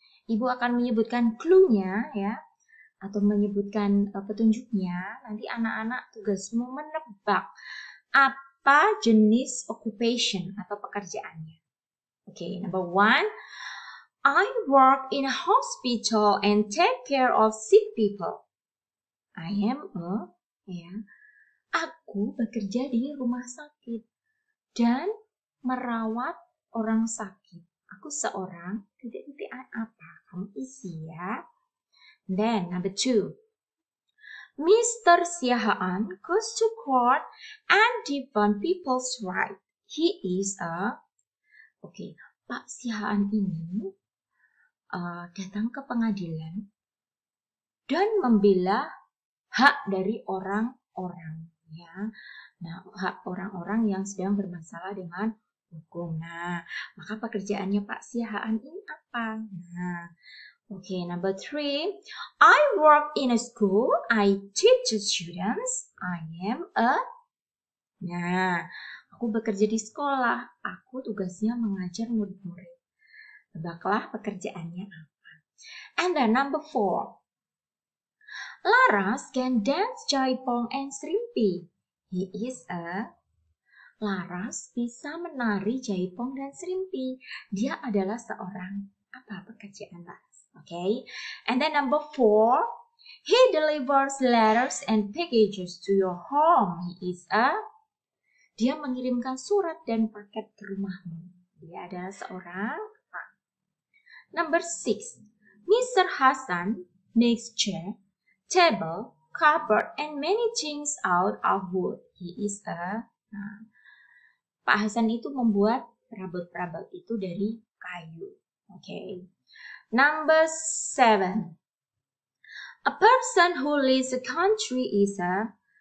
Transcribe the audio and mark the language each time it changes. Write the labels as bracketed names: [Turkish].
[Indonesian] Ibu akan menyebutkan clue-nya ya, atau menyebutkan petunjuknya. Nanti anak-anak tugasmu menebak apa jenis occupation atau pekerjaannya. [English] Okay, number one, I work in a hospital and take care of sick people. I am a, [Indonesian] ya, aku bekerja di rumah sakit dan merawat orang sakit. Aku seorang, titik-titik apa? Kamu isi ya. [English] Then, number two. Mr. Siahaan goes to court and defend people's right. He is a... [Indonesian] Okay, Pak Siahaan ini datang ke pengadilan dan membela hak dari orang-orang. Ya. Nah, hak orang-orang yang sedang bermasalah dengan hukum. Nah, maka pekerjaannya Pak Siahaan ini apa? [English] Nah, oke, okay, number three. I work in a school. I teach the students. I am a... [Indonesian] Nah, aku bekerja di sekolah. Aku tugasnya mengajar murid-murid. Tebaklah pekerjaannya apa. [English] And then number four. Laras can dance jaipong and serimpi. He is a... [Indonesian] Laras bisa menari jaipong dan serimpi. Dia adalah seorang apa pekerjaan Laras. [English] Okay. And then number four. He delivers letters and packages to your home. He is a... [Indonesian] Dia mengirimkan surat dan paket ke rumahmu. Dia adalah seorang... [English] Number six. Mr. Hassan makes chair, table, cupboard, and many things out of wood. He is a... [Indonesian] Pak Hasan itu membuat perabot-perabot itu dari kayu. [English] Okay. Number seven. A person who leads a country is a...